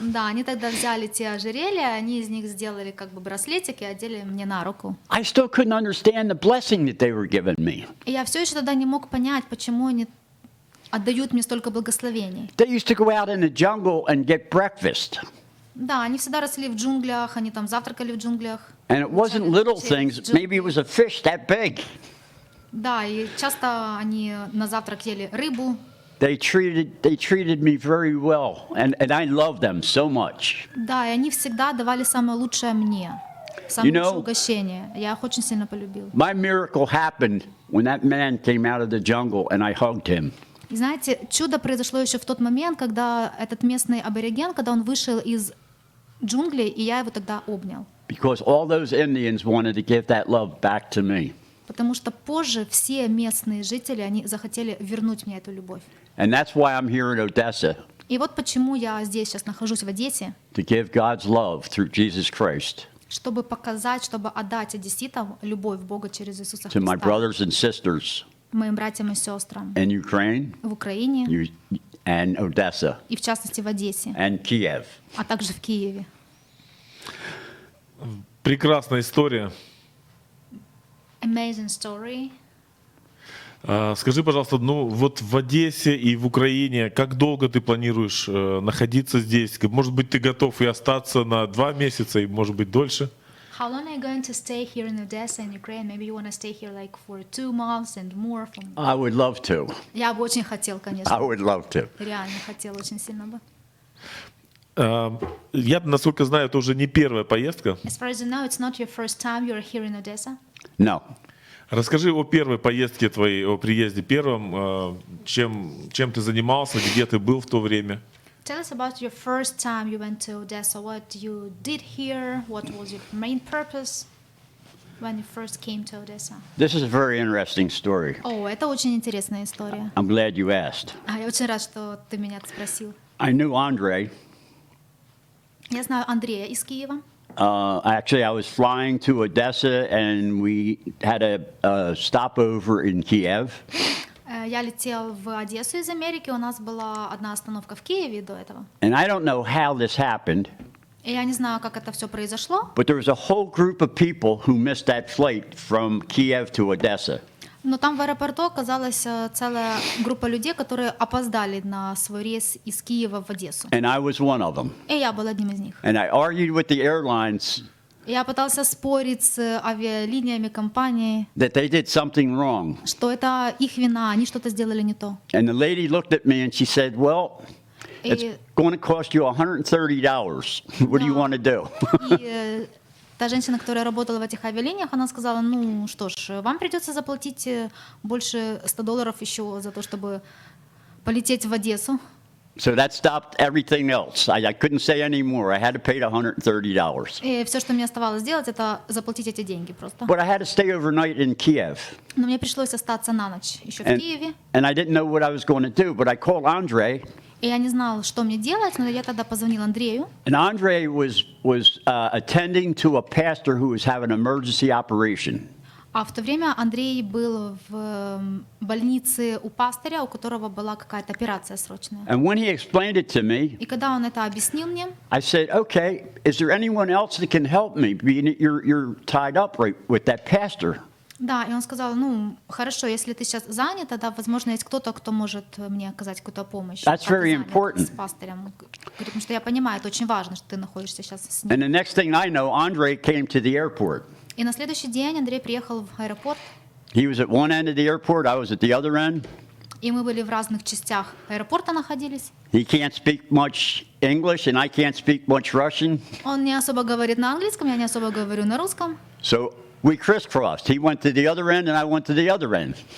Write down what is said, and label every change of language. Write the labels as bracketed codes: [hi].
[ru] Да, они тогда взяли те ожерелья, они из них сделали как бы браслетик и одели мне на руку. [en] I still couldn't understand the blessing that they were giving me. [ru] И я все еще тогда не мог понять, почему они отдают мне столько благословений. [en] They used to go out in the jungle and get breakfast. [ru] Да, они всегда росли в джунглях, они там завтракали в джунглях. [en] And it wasn't little things, maybe it was a fish that big. [ru] Да, и часто они на завтрак ели рыбу. [en] They treated me very well, and I love them so much. [ru] Да, и они всегда давали самое лучшее мне, самое лучшее угощение. Я их очень сильно полюбил. [en] My miracle happened when that man came out of the jungle and I hugged him. [ru] И знаете, чудо произошло еще в тот момент, когда этот местный абориген, когда он вышел из джунглей, и я его тогда обнял. [en] Because all those Indians wanted to give that love back to me. [ru] Потому что позже все местные жители, они захотели вернуть мне эту любовь. [en] And that's why I'm here in Odessa. [ru] И вот почему я здесь сейчас нахожусь в Одессе. [en] To give God's love through Jesus Christ. [ru] Чтобы показать, чтобы отдать одесситам любовь Бога через Иисуса Христа. [en] To my brothers and sisters. [ru] Моим братьям и сестрам. [en] In Ukraine, [ru] в Украине. [en] And Odessa, [ru] и в частности в Одессе. [en] And Kiev. [ru] А также в Киеве. Прекрасная история. [en] Amazing story. [ru] Скажи, пожалуйста, ну вот в Одессе и в Украине, как долго ты планируешь находиться здесь? Может быть, ты готов и остаться на 2 месяца, и может быть, дольше? [en] How long are you going to stay here in Odessa in Ukraine? Maybe you want to stay here like for 2 months and more. I would love to. [ru] Я бы очень хотел, конечно. [en] I would love to. [ru] Реально хотел очень сильно бы. Я, насколько знаю, это уже не первая поездка. [en] As far as you know, it's not your first time you're here in Odessa. No. [ru] Расскажи о первой поездке твоей, о приезде первом. Чем ты занимался, где ты был в то время? [en] Tell us about your first time you went to Odessa. What you did here? What was your main purpose when you first came to Odessa? This is a very interesting story. [ru] Oh, это очень интересная история. [en] I'm glad you asked. [ru] А я очень рад, что ты меня спросил. [en] I knew Andre. [ru] Я знаю Андрея из Киева. [en] Actually, I was flying to Odessa, and we had a stopover in Kiev. [ru] Я летел в Одессу из Америки. У нас была одна остановка в Киеве до этого. [en] And I don't know how this happened. [ru] И я не знаю, как это все произошло. [en] But there was a whole group of people who missed that flight from Kiev to Odessa. [ru] Но там в аэропорту оказалась целая группа людей, которые опоздали на свой рейс из Киева в Одессу. [en] And I was one of them. [ru] И я был одним из них. [en] And I argued with the airlines. [ru] Я пытался спорить с авиалиниями компании, [en] that they did something wrong. [ru] Что это их вина, они что-то сделали не то. [en] And the lady looked at me and she said, "Well, it's going to cost you $130. What do you want to do?" [ru] Та женщина, которая работала в этих авиалиниях, она сказала, ну что ж, вам придется заплатить больше $100 еще за то, чтобы полететь в Одессу. [en] So that stopped everything else. I couldn't say anymore. I had to pay $130. [ru] И все, что мне оставалось сделать, это заплатить эти деньги просто. [en] But I had to stay overnight in Kiev. [ru] Но мне пришлось остаться на ночь еще в Киеве. [en] And I didn't know what I was going to do, but I called Andre. [ru] И я не знал, что мне делать, но я тогда позвонил Андрею. [en] And Andre was attending to a pastor who was having an emergency operation. [ru] А в то время Андрей был в больнице у пастыря, у которого была какая-то операция срочная. [en] And when he explained it to me, [ru] и когда он это объяснил мне, [en] I said, "Okay, is there anyone else that can help me? You're tied up right with that pastor." [ru] Да, и он сказал, ну, хорошо, если ты сейчас занят, тогда, возможно, есть кто-то, кто может мне оказать какую-то помощь. [en] That's very important. [ru] С пастырем. Потому что я понимаю, это очень важно, что ты находишься сейчас с ним. [en] And the next thing I know, Andre came to the airport. [ru] И на следующий день Андрей приехал в аэропорт. [en] He was at one end of the airport, I was at the other end. [ru] И мы были в разных частях аэропорта находились. [en] He can't speak much English and I can't speak much Russian. [ru] Он не особо говорит на английском, я не особо говорю на русском. [en] So we crisscrossed. He went to the other end and I went to the other end.